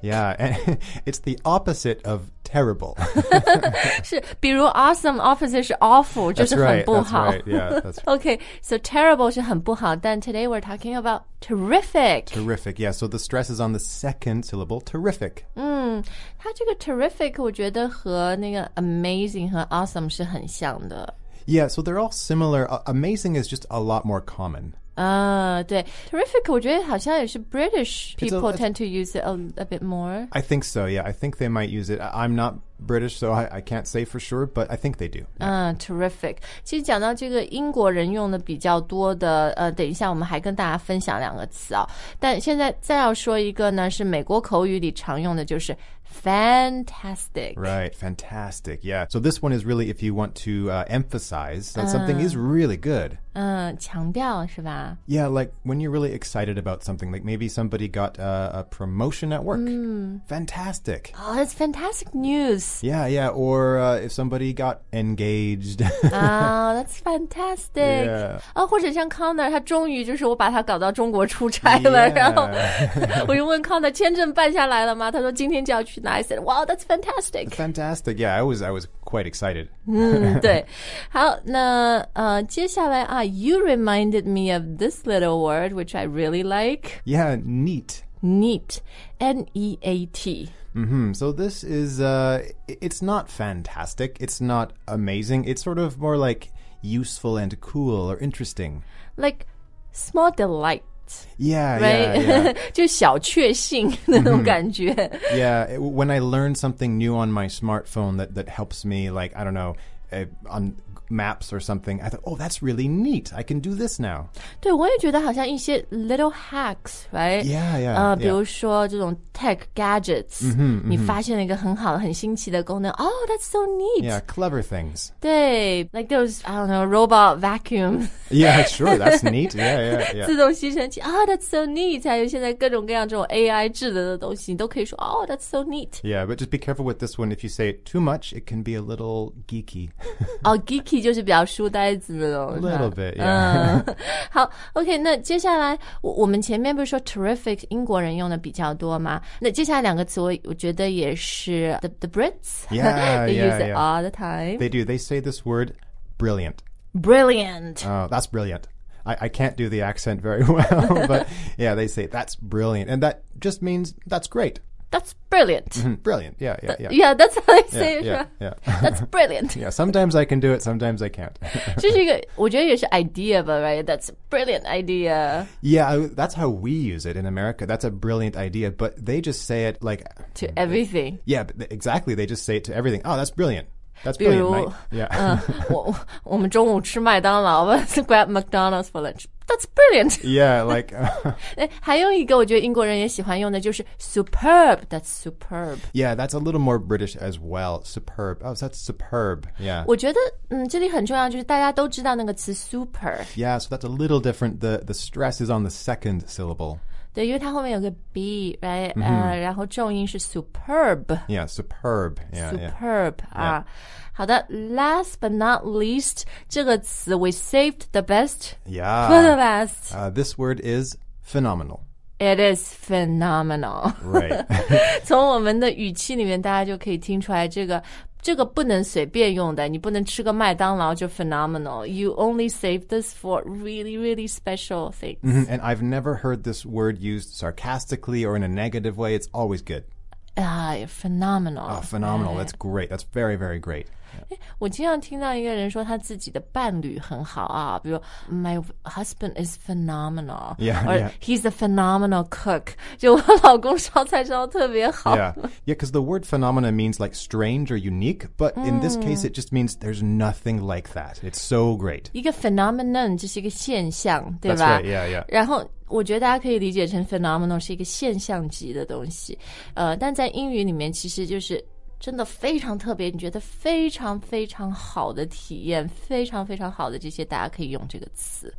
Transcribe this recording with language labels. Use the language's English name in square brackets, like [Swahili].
[English] Yeah, and it's the opposite of terrible. [Chinese] 是，比如 [English] awesome opposite [Chinese] 是 awful, 就是很不好。 [English] That's right, yeah, that's right. Okay, so terrible [Chinese] 是很不好，但 [English] today we're talking about terrific. Terrific, yeah, so the stress is on the second syllable, terrific. [Chinese] 嗯，它这个 terrific 我觉得和那个 amazing 和 awesome 是很像的。 [English] Yeah, so they're all similar. Amazing is just a lot more common. [Chinese] Ah, 对. [English] Terrific, [Chinese] 我觉得好像也是 [English] British people tend to use it a bit more. I think so, yeah. I think they might use it. I'm not British, so I can't say for sure, but I think they do. Yeah. Terrific. [Chinese] 其实讲到这个英国人用的比较多的等一下我们还跟大家分享两个词哦。但现在再要说一个呢是美国口语里常用的就是Fantastic. [English] Right, fantastic, yeah. So this one is really if you want to emphasize that something is really good. [Chinese] 强调是吧? [English] Yeah, like when you're really excited about something, like maybe somebody got a promotion at work. Mm. Fantastic. Oh, that's fantastic news. Yeah, yeah, or if somebody got engaged. Oh, that's fantastic. Yeah. [Chinese] 或者像 Connor, 他终于就是我把他搞到中国出差了。 [English] Yeah. [Chinese] 然后我又问 Connor, 签证办下来了吗? 他说今天就要去拿。 [English] I said, wow, that's fantastic. Fantastic, yeah, I was quite excited. [Chinese] 对。好,那接下来啊, [English] you reminded me of this little word, which I really like. Yeah, neat. Neat, N-E-A-T. Mm-hmm. So this is, it's not fantastic, it's not amazing, it's sort of more like useful and cool or interesting. Like small delight. Yeah, right? yeah, yeah. [Chinese] 就小确幸那种感觉。 [English] Yeah, when I learn something new on my smartphone that helps me, like, I don't know, on maps or something, I thought, oh, that's really neat. I can do this now. [Chinese] 对，我也觉得好像一些 [English] little hacks, right? Yeah, yeah. [Chinese] 比如说这种 [English] tech gadgets, mm-hmm, mm-hmm. [Chinese] 你发现了一个很好很新奇的功能。 [English] Oh, that's so neat. Yeah, clever things. [Chinese] 对 [English] like those, I don't know, robot vacuum. Yeah, sure, that's neat. Yeah, yeah, yeah. [Chinese] 自动吸尘器 [English] Oh, that's so neat. [Chinese] 还有现在各种各样这种 AI 智能的东西，你都可以说 [English] Oh, that's so neat. Yeah, but just be careful with this one. If you say it too much, it can be a little geeky. Oh, geeky. [Chinese] Geeky 就是比较书呆子的东西。 [English] A little bit, yeah. [Chinese] 好 ,OK, 那接下来 我们前面不是说 terrific 英国人用的比较多吗那接下来两个词我觉得也是 [English] the Brits. Yeah, they yeah, use it yeah. all the time. They do. They say this word brilliant. Brilliant. Oh, that's brilliant. I can't do the accent very well, but yeah, they say that's brilliant. And that just means that's great. That's brilliant. Brilliant, yeah, yeah, yeah. Yeah, that's how I say yeah, it, yeah, right? Yeah. That's brilliant. Yeah, sometimes I can do it, sometimes I can't. [Chinese] 这是一个我觉得也是 [English] idea, but right? That's a brilliant idea. Yeah, that's how we use it in America. That's a brilliant idea, but they just say it like... To everything. Yeah, exactly. They just say it to everything. Oh, that's brilliant. That's brilliant, [Chinese] 比如, [English] mate. Yeah. [Chinese] 我们中午吃麦当劳, [English] let's grab McDonald's for lunch. That's brilliant. Yeah, like... [Chinese] 还有一个我觉得英国人也喜欢用的就是 superb. [English] That's superb. Yeah, that's a little more British as well. Superb. Oh, that's superb. Yeah. [Chinese] 我觉得这里很重要就是大家都知道那个词 super. [English] Yeah, so that's a little different. The stress is on the second syllable. [Chinese] 对，因为它后面有个 b, [English] right?、Mm-hmm. [Chinese] 然后重音是 superb. [English] Yeah, superb. Yeah, superb. Yeah. [Chinese] 好的 [English] ，last but not least， [Chinese] 这个词 [English] we saved the best. Yeah. For the best. This word is phenomenal. It is phenomenal. Right. 从我们的语气里面，大家就可以听出来这个不能随便用的，你不能吃个麦当劳就 phenomenal. You only save this for really, really special things. Mm-hmm. And I've never heard this word used sarcastically or in a negative way. It's always good. Phenomenal. Oh, phenomenal. That's great. That's very, very great. Yeah. [Chinese] 我经常听到一个人说他自己的伴侣很好啊，比如 [English] My husband is phenomenal. Yeah, or yeah. He's a phenomenal cook. [Chinese] 就我老公烧菜烧特别好。 [English] Yeah, yeah, because the word phenomenon means like strange or unique, but in this case, it just means there's nothing like that. It's so great. [Chinese] 一个 phenomenon 就是一个现象，对吧 [English] That's right, yeah, yeah. [Chinese] 然后我觉得大家可以理解成 phenomenal 是一个现象级的东西，但在英语里面其实就是真的非常特别，你觉得非常非常好的体验，非常非常好的这些，大家可以用这个词。